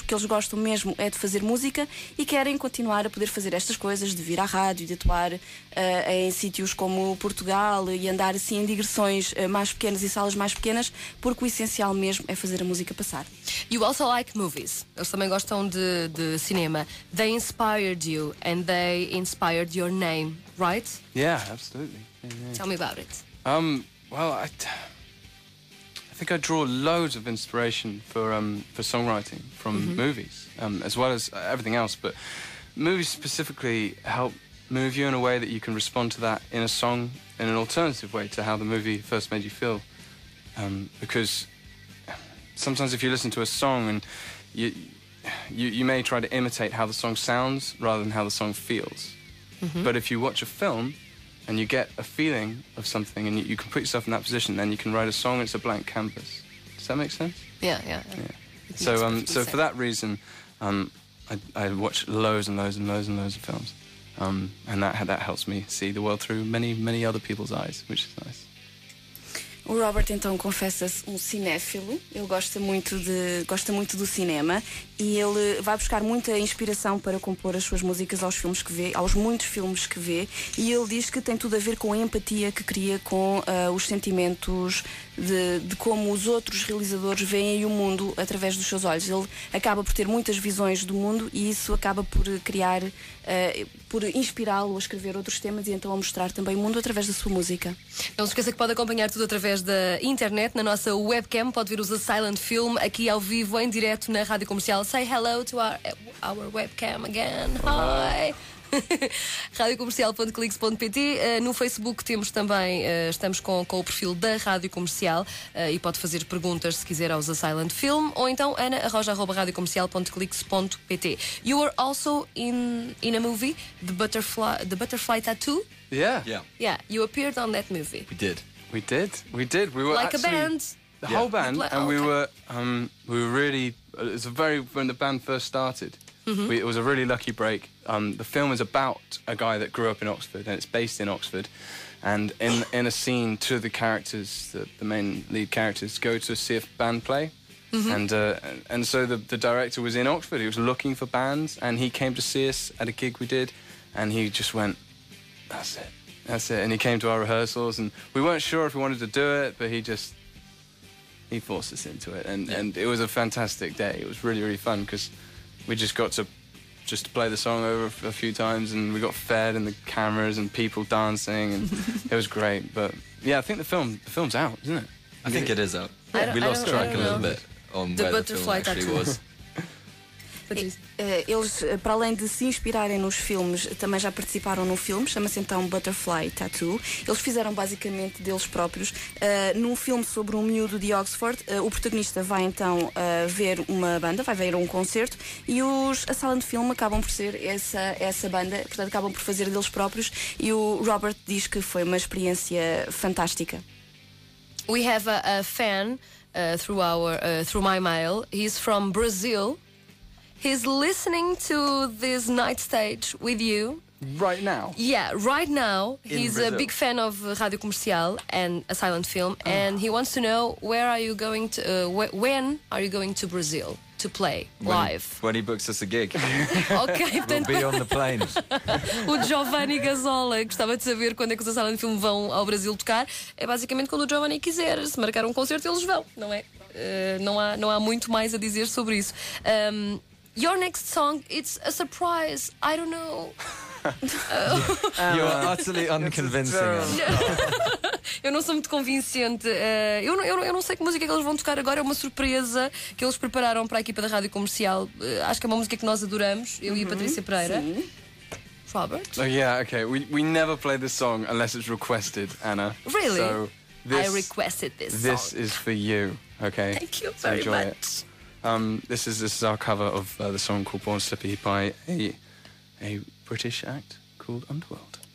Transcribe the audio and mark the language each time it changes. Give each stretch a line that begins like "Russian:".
Portuguese: O que eles gostam mesmo é de fazer música e querem continuar a poder fazer estas coisas, de vir à rádio, de atuar em sítios como Portugal e andar assim em digressões mais pequenas e salas mais pequenas, porque o essencial mesmo é fazer a música passar.
English: You also like movies.
Portuguese: Eles também gostam de cinema.
English: They inspired you and they inspired your name, right? Yeah, absolutely. Tell me about it. Well, I think I draw loads of inspiration for songwriting from movies, as well as everything else. But movies specifically help move you in a way that you can respond to that in a song in an alternative way to how the movie first made you feel. Because sometimes if you listen to a song and you may try to imitate how the song sounds rather than how the song feels. But if you watch a film and you get a feeling of something and you can put yourself in that position, then you can write a song, it's a blank canvas. Does that make sense? Yeah. So for that reason, I watch loads and loads and loads and loads of films. And that helps me see the world through many, many other people's eyes, which is nice.
Portuguese: O Robert então confessa-se um cinéfilo. Ele gosta muito do cinema e ele vai buscar muita inspiração para compor as suas músicas aos filmes que vê, aos muitos filmes que vê. E ele diz que tem tudo a ver com a empatia que cria com os sentimentos de como os outros realizadores veem o mundo através dos seus olhos. Ele acaba por ter muitas visões do mundo e isso acaba por criar, por inspirá-lo a escrever outros temas e então a mostrar também o mundo através da sua música. Não se esqueça que pode acompanhar tudo através da internet, na nossa webcam, pode ver os A Silent Film aqui ao vivo, em direto, na Rádio Comercial.
English: Say hello to our webcam again. Hi!
Portuguese: radiocomercial.clix.pt. No Facebook temos também, estamos com o perfil da Rádio Comercial, e pode fazer perguntas se quiser aos A Silent Film, ou então ana@radiocomercial.clix.pt.
English: You are also in a movie, The Butterfly Tattoo. Yeah. You appeared on that movie. We did. We were like actually a band. Whole band. And okay. we were really, it's a very, when the band first started. Mm-hmm. It was a really lucky break. The film is about a guy that grew up in Oxford, and it's based in Oxford. And in a scene, two of the characters, the main lead characters, go to see a band play. Mm-hmm. And so the director was in Oxford. He was looking for bands, and he came to see us at a gig we did. And he just went, that's it. And he came to our rehearsals, and we weren't sure if we wanted to do it, but he forced us into it. And it was a fantastic day. It was really, really fun, because we just got to just play the song over a few times, and we got fed and the cameras and people dancing, and it was great. But yeah, I think the film's out, isn't it? I think it is out. Yeah. We lost track a little bit on the where the film actually was.
Portuguese: Eles, para além de se inspirarem nos filmes, também já participaram no filme, chama-se então Butterfly Tattoo. Eles fizeram basicamente deles próprios. Num filme sobre um miúdo de Oxford, o protagonista vai então ver uma banda, vai ver um concerto, e os A Silent Film acabam por ser essa banda, portanto acabam por fazer deles próprios, e o Robert diz que foi uma experiência fantástica.
English: We have a fan through my mail. He's from Brazil. He's listening to this night stage with you. Right now? Yeah, right now. He's a big fan of Rádio Comercial and A Silent Film. Oh. And he wants to know, where are you going to? When are you going to Brazil to play live? When he books us a gig. Okay. We'll be on the plane.
Portuguese: O Giovanni Gazzola gostava de saber quando é que os A Silent Film vão ao Brasil tocar. É basicamente quando o Giovanni quiser. Se marcar um concerto, eles vão, não é? Não há muito mais a dizer sobre isso.
English: Your next song, it's a surprise. I don't know. You are utterly unconvincing.
Portuguese: Eu não sou muito convincente. Eu não sei que música é que eles vão tocar agora. É uma surpresa que eles prepararam para a equipa da Rádio Comercial. Acho que é uma música que nós adoramos. Eu e a Patrícia Pereira. Sim.
English: Robert? Okay. We never play this song unless it's requested, Anna. Really? So I requested this song. This is for you, okay? Thank you very enjoy much. It. This is our cover of the song called Born Slippy by a British act called Underworld.